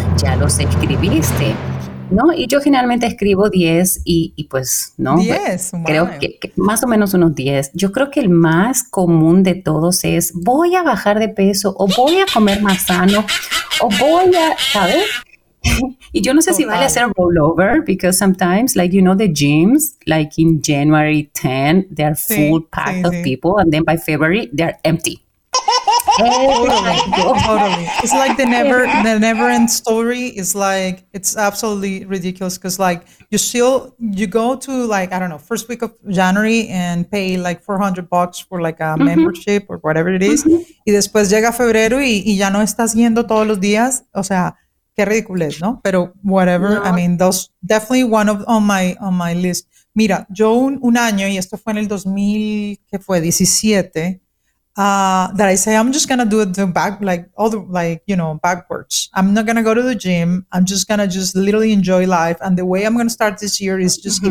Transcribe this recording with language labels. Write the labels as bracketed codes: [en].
[es] Ya los escribiste, ¿no? Y yo generalmente escribo 10 y pues, ¿no? 10, wow. Creo que más o menos unos 10. Yo creo que el más común de todos es voy a bajar de peso o voy a comer más sano o voy a, ¿sabes? Y yo no sé si vale hacer rollover, [en] because sometimes, like, you know, the gyms, like in January 10, they are full, sí, packed, sí, of, sí, people, and then by February, they are empty. Totally. It's like the never end story. It's like, it's absolutely ridiculous, because like you go to, like, I don't know, first week of January and pay like $400 for like a mm-hmm. membership or whatever it is. Mm-hmm. [es] Y después llega febrero y ya no estás yendo todos los días. O sea, qué ridículo es, ¿no? Pero whatever. [en] No. I mean, that's definitely one of on my list. [es] Mira, yo un año, y esto fue en el 2017. [en] That I say, I'm just going to do it backwards. I'm not going to go to the gym. I'm just going to just literally enjoy life. And the way I'm going to start this year is just mm-hmm.